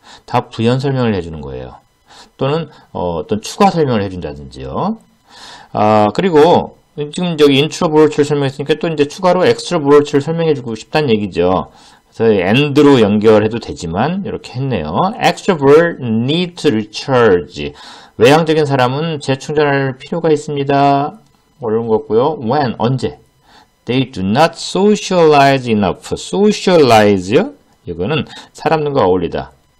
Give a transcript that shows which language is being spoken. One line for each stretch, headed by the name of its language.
Korean: 다 부연 설명을 해주는 거예요. 또는, 어떤 추가 설명을 해준다든지요. 아, 그리고, 지금 여기 인트로볼츠를 설명했으니까 또 이제 추가로 엑스트로볼츠를 설명해주고 싶다는 얘기죠. 그래서 end로 연결해도 되지만 이렇게 했네요.
English: Extrovert need to recharge.
Korean: 외향적인 사람은 재충전할 필요가 있습니다. 이런 거고요.
English: When?
Korean: 언제?
English: They do not socialize enough.
Korean: Socialize요? 이거는 사람들과 어울리다.